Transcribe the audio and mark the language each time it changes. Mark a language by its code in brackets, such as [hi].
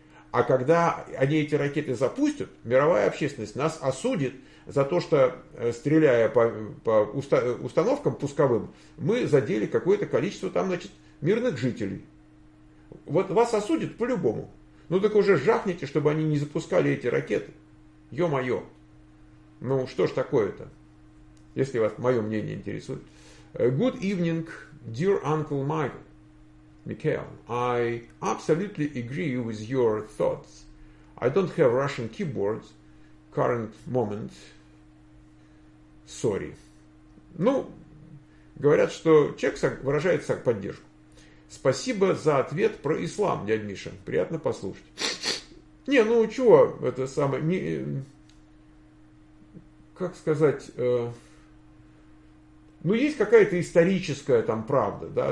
[ru] А когда они эти ракеты запустят, мировая общественность нас осудит за то, что, стреляя по установкам пусковым, мы задели какое-то количество там, значит, мирных жителей. Вот вас осудят по-любому. Ну так уже жахните, чтобы они не запускали эти ракеты. Ё-моё. Ну что ж такое-то? Если вас мое мнение интересует. [en] Good evening, dear Uncle Michael. I absolutely agree with your thoughts. I don't have Russian keyboards current moment. Sorry. [ru] Ну, говорят, что человек выражает поддержку. Спасибо за ответ про ислам, дядь Миша. Приятно послушать. Не, ну чего это самое? Не, как сказать? Ну, есть какая-то историческая там правда, да?